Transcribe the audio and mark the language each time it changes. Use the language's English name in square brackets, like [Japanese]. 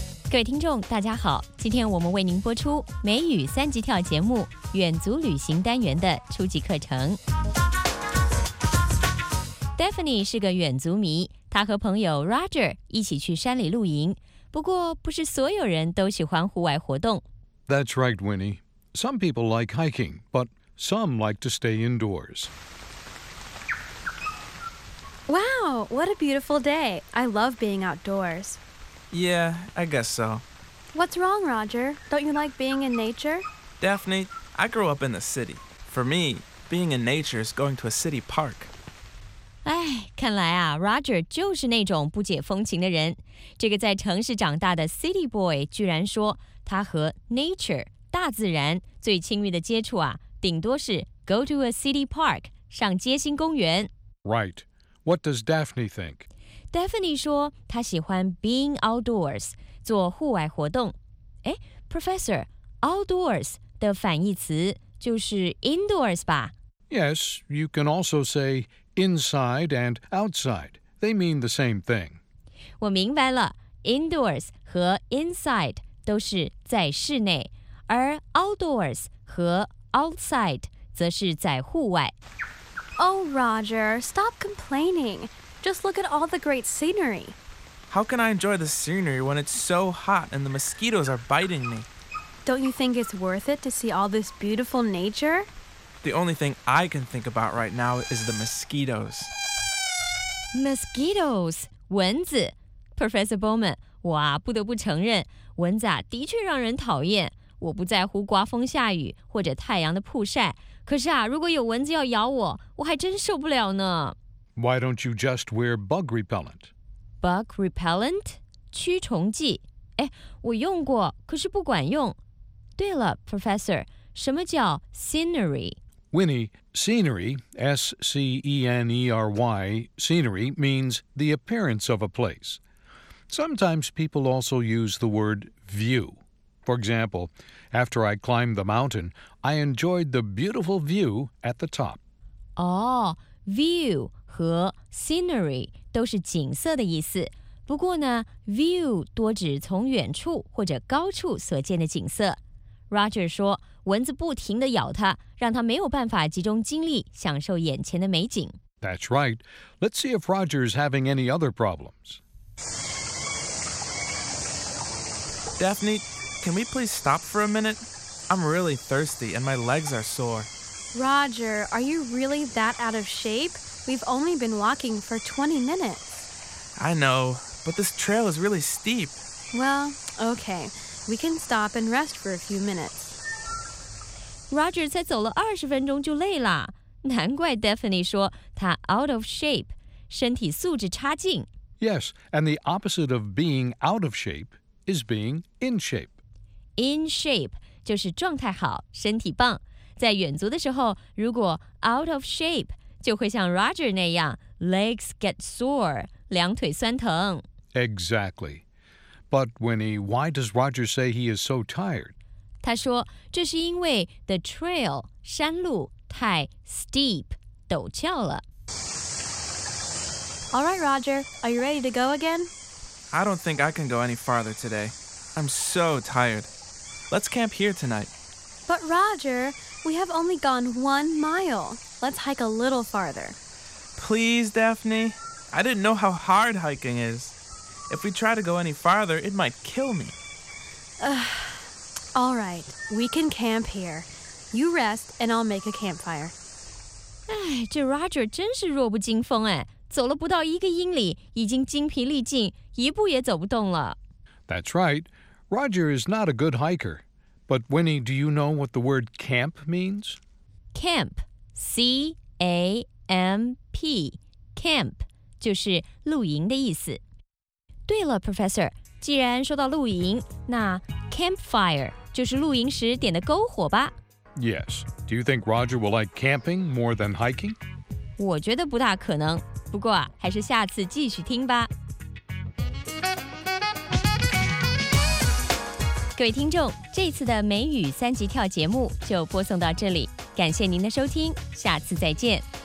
[Chinese] 各位听众大家好，今天我们为您播出美语三级跳节目远足旅行单元的初级课程。 Daphne 是个远足迷，她和朋友 Roger 一起去山里露营，不过不是所有人都喜欢户外活动。 [English] That's right, Winnie. Some people like hiking, but some like to stay indoors. Wow, what a beautiful day. I love being outdoors. Yeah, I guess so. What's wrong, Roger? Don't you like being in nature? Daphne, I grew up in the city. For me, being in nature is going to a city park. [Chinese] 哎，看来啊 ，Roger 就是那种不解风情的人。这个在城市长大的 City Boy 居然说他和 Nature 大自然最亲密的接触啊，顶多是 Go to a City Park 上街心公园。 [English] Right. What does Daphne think? [Chinese] Daphne 说她喜欢 being outdoors, 做户外活动。诶 ,Professor, outdoors 的反义词就是 indoors 吧？ [English] Yes, you can also say inside and outside. They mean the same thing. [Chinese] 我明白了 ,indoors 和 inside 都是在室内，而 outdoors 和 outside 则是在户外。 [English] Oh, Roger, stop complaining. Just look at all the great scenery. How can I enjoy the scenery when it's so hot and the mosquitoes are biting me? Don't you think it's worth it to see all this beautiful nature? The only thing I can think about right now is the mosquitoes. [Chinese] Mosquitoes, 蚊子。Professor Bowman, 我啊不得不承认蚊子啊的确让人讨厌。我不在乎刮风下雨或者太阳的曝晒。可是啊如果有蚊子要咬我我还真受不了呢。 [English] Why don't you just wear bug repellent? [Chinese] Bug repellent? 驱虫剂。哎我用过可是不管用。对了 ,Professor, 什么叫 scenery? [English] Winnie, scenery, S-C-E-N-E-R-Y, scenery means the appearance of a place. Sometimes people also use the word view. For example, after I climbed the mountain, I enjoyed the beautiful view at the top. [Chinese] Oh, view 和 scenery 都是景色的意思。不过呢 ,view 多指从远处或者高处所见的景色。 Roger 说蚊子不停地咬它让它没有办法集中精力享受眼前的美景。 [English] That's right. Let's see if Roger's having any other problems. Daphne, can we please stop for a minute? I'm really thirsty and my legs are sore. Roger, are you really that out of shape? We've only been walking for 20 minutes. I know, but this trail is really steep. Well, okay. We can stop and rest for a few minutes. [Chinese] Roger 才走了二十分钟就累了。难怪 Daphne 说他 out of shape, 身体素质差劲。 [English] Yes, and the opposite of being out of shape is being in shape. [Chinese] In shape 就是状态好，身体棒。在远足的时候，如果 out of shape, 就会像 Roger 那样 legs get sore, 两腿酸疼。 [English] Exactly. But, Winnie, why does Roger say he is so tired? [Chinese] 他说这是因为 the trail, 山路太 steep, 陡峭了。 [English] All right, Roger, are you ready to go again? I don't think I can go any farther today. I'm so tired. Let's camp here tonight. But, Roger, we have only gone 1 mile. Let's hike a little farther. Please, Daphne. I didn't know how hard hiking is. If we try to go any farther, it might kill me. All right, we can camp here. You rest, and I'll make a campfire. [Chinese] 哎，这 Roger 真是弱不禁风哎，走了不到一个英里，已经精疲力尽，一步也走不动了。 [English] That's right. Roger is not a good hiker. But Winnie, do you know what the word camp means? [Chinese] Camp, C-A-M-P, camp, 就是露营的意思。对了 ,Professor, 既然说到露营那 campfire 就是露营时点的篝火吧。 [English] Yes, do you think Roger will like camping more than hiking? [Chinese] 我觉得不大可能不过啊还是下次继续听吧。各位听众这次的美语三级跳节目就播送到这里感谢您的收听下次再见。